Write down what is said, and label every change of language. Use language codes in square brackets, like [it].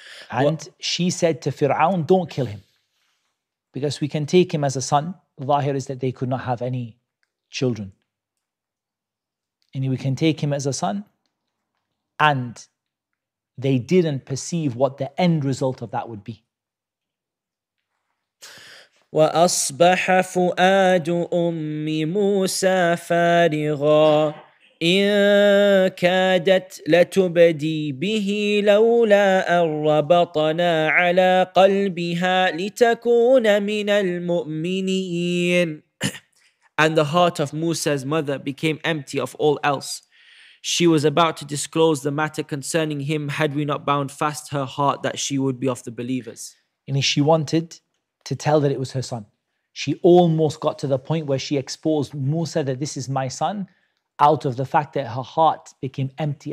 [en] And she said to Fir'aun, don't kill him, because we can take him as a son. Zahir is that they could not have any children. And we can take him as a son. And they didn't perceive what the end result of that would be. [ar] وَأَصْبَحَ فُؤَادُ أُمِّ مُوسَى فَارِغًا إن كادت لتبدي به لولا أن ربطنا على قلبها لتكون من المؤمنين. [en] And the heart of Musa's mother became empty of all else. She was about to disclose the matter concerning him had we not bound fast her heart that she would be of the believers. And she wanted to tell that it was her son. She almost got to the point where she exposed Musa that this is my son, out of the fact that her heart became empty.